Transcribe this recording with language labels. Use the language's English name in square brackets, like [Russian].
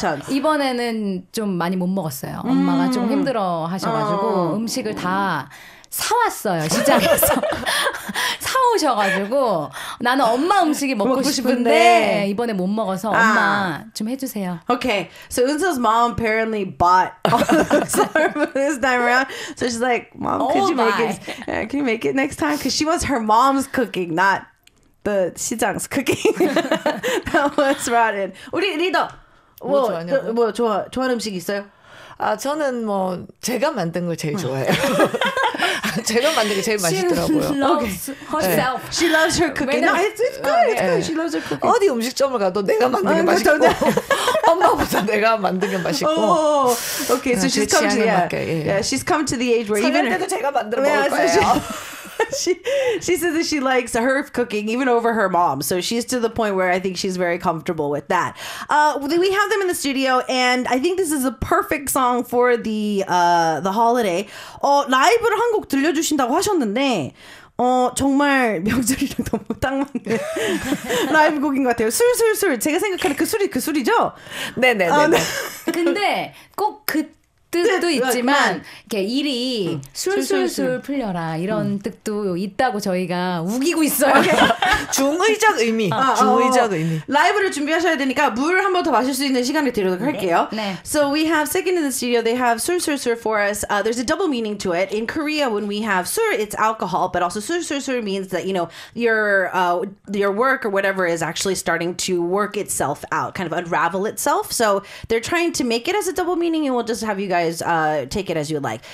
[Korean] 이번에는 좀 많이 못 먹었어요. 엄마가 좀 힘들어 하셔가지고 음식을 다 사왔어요. 시장에서. 사오셔가지고 나는 엄마 음식이 먹고 싶은데 이번에 못 먹어서 엄마 좀 해주세요. [English] Okay, so Eunseo's mom apparently bought all the food this time around. So she's like, mom, can you make it next time? Because she wants her mom's cooking, not the 시장's cooking. That was brought in. [Korean] 우리 리더, 좋아하는 음식 있어요? 아, 저는 뭐 제가 만든 걸 제일 좋아해요. 제가 만든 게 제일 맛있더라고요. [English] She loves herself. Okay. She loves her cooking. No, it's good. It's good. She loves her cooking. [Korean] 어디 음식점을 가도 내가 만든 게 맛있고 엄마보다 내가 만든 게 맛있고. [English] Oh, okay. So she's come to she's come to the age where even [Korean] 때도 제가 만들어 먹을 거예요. [English] She says that she likes her cooking even over her mom. So she's to the point where I think she's very comfortable with that. We have them in the studio, and I think this is a perfect song for the holiday. [Korean] 라이브를 한 곡 들려주신다고 하셨는데 정말 명절이랑 너무 딱 맞는 라이브 곡인 것 같아요. 술술술 제가 생각하는 그 술이 그 술이죠? 네네네. 근데 꼭 그 뜻도 있지만 이렇게 일이 술술술 풀려라 이런 뜻도 있다고 저희가 우기고 있어요. 중의적 의미. 중의적 의미. 라이브를 준비하셔야 되니까 물 한 번 더 마실 수 있는 시간을 드리도록 할게요. 네. [English] So we have second in the studio. They have 술술술 for us. There's a double meaning to it. In Korea, when we have 술, it's alcohol, but also 술술술 means that you know your work or whatever is actually starting to work itself out, kind of unravel itself. So they're trying to make it as a double meaning, and we'll just have you guys take it as you like.